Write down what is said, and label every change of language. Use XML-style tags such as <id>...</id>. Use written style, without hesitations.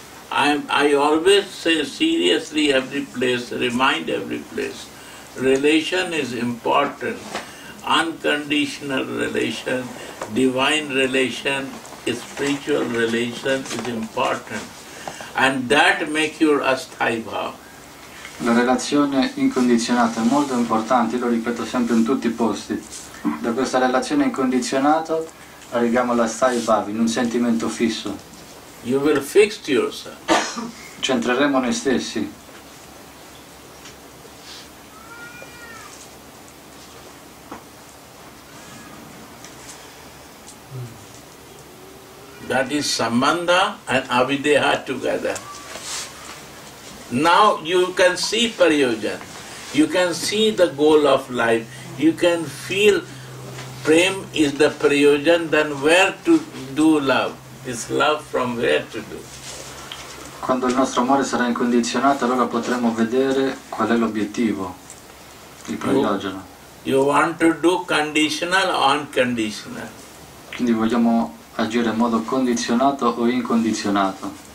<en>I always say seriously every place, remind every place, relation is important. Unconditional relation, divine relation, spiritual relation is important. And that make your asthai bhava.</en> <it>La relazione incondizionata è molto importante, lo ripeto sempre in tutti i posti. Da questa relazione incondizionata arriviamo all'asthai bhava, in un sentimento fisso.</it> <en>You will fix yourself.</en> <it>Centreremo noi stessi.</it> <en>That is Sambhandha and Abhidheya together. Now you can see Prayojana. You can see the goal of life. You can feel Prema is the Prayojana, then where to do love? This love from where to do?</en> <it>Quando il nostro amore sarà incondizionato, allora potremo vedere qual è l'obiettivo, il prayojana.</it> <en>You want to do conditional or unconditional?</en> <it>Quindi vogliamo agire in modo condizionato o incondizionato.</it>